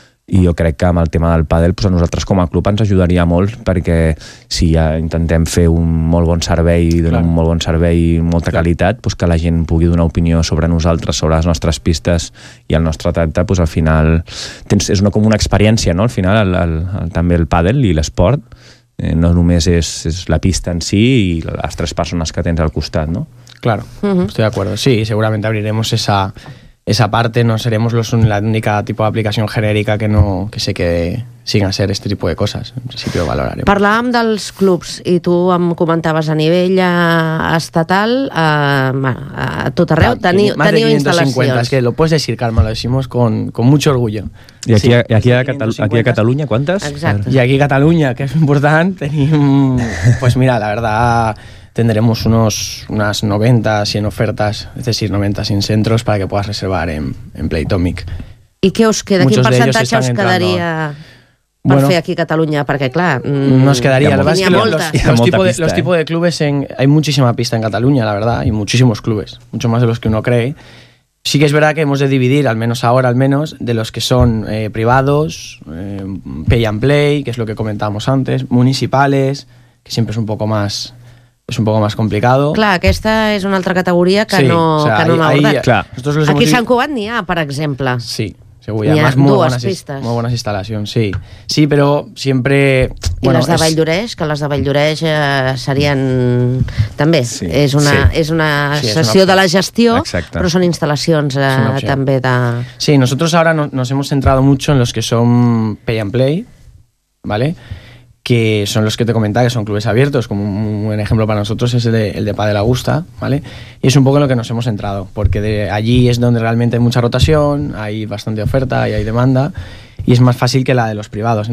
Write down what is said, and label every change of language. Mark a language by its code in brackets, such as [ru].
[ca] I jo crec que amb el tema del pàdel, doncs a nosaltres com a club ens ajudaria molt, perquè si ja intentem fer un molt bon servei, donar un molt bon servei i molta, clar, qualitat, doncs que la gent pugui donar opinió sobre nosaltres, sobre les nostres pistes i el nostre tracte, doncs al final és com una experiència, no? Al final també el pàdel i l'esport no només és la pista en si i les tres persones que tens al costat, no? [es] Claro, estoy de acuerdo. Sí, seguramente abriremos esa parte, no seremos la única tipo de aplicación genérica que se quede sin hacer este tipo de cosas. En principio valoraremos. [ca] Parlàvem dels clubs i tu em comentaves a nivell estatal, a tot arreu, teniu instal·lacions. [es] Más de 550, es que lo puedes decir, Carme, lo decimos con mucho orgullo. [ca] I aquí, sí, aquí a Catalunya, [es] ¿cuántas? Exacto. [ca] I aquí a Catalunya, que es important, tenim... [es] Pues mira, la verdad... Tendremos unas 90, 100 ofertas, es decir, 90, 100 centros para que puedas reservar en Playtomic. ¿Y qué os queda? Muchos, ¿qué porcentaje os quedaría para hacer aquí Cataluña? Porque, claro... Nos quedaría... Tenía que los tipos de clubes... Hay muchísima pista en Cataluña, la verdad, y muchísimos clubes, mucho más de los que uno cree. Sí que es verdad que hemos de dividir, al menos ahora, de los que son privados, pay and play, que es lo que comentábamos antes, municipales, que siempre es un poco más... [ca] És un poc més complicat. Clar, aquesta és una altra categoria que sí, no, que no m'ha abordat. Aquí a Sant Cugat n'hi ha, per exemple. Sí, segur. N'hi ha dues pistes. Molt bones instal·lacions, sí. Sí, però sempre... I bueno, les de Valldoreix, que les de Valldoreix serien... També, sí, és una, sí, és una sessió, sí, és una de la gestió, exacte, però són instal·lacions també de... [es] Sí, nosotros ahora nos hemos centrado mucho en los que son pay and play, ¿vale? Que son los que te comentaba, que son clubes abiertos, como un buen ejemplo para nosotros es el de Padel Augusta, ¿vale? Y es un poco en lo que nos hemos centrado, porque allí es donde realmente hay mucha rotación, hay bastante oferta y hay demanda, y es más fácil que la de los privados.